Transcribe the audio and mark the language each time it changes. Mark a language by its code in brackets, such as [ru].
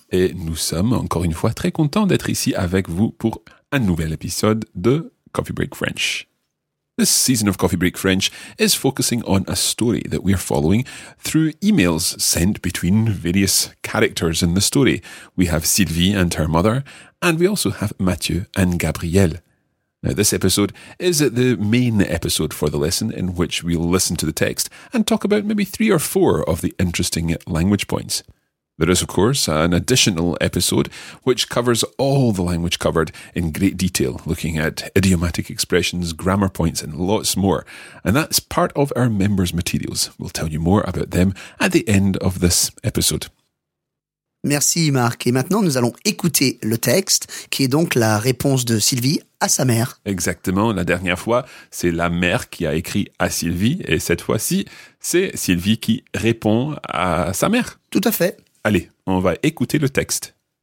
[fr] Et nous sommes encore une fois très contents d'être ici avec vous pour un nouvel épisode de Coffee Break French. [en] This season of Coffee Break French is focusing on a story that we are following through emails sent between various characters in the story. We have Sylvie and her mother, and we also have Mathieu and Gabrielle. Now, this episode is the main episode for the lesson in which we'll listen to the text and talk about maybe three or four of the interesting language points. There is, of course, an additional episode which covers all the language covered in great detail, looking at idiomatic expressions, grammar points, and lots more. And that's part of our members' materials. We'll tell you more about them at the end of this episode. [fr] Merci, Marc. Et maintenant, nous allons écouter le texte, qui est donc la réponse de Sylvie à sa mère. Exactement. La dernière fois, c'est la mère qui a écrit à Sylvie. Et cette fois-ci, c'est Sylvie qui répond à sa mère. Tout à fait. Allez, on va écouter le texte.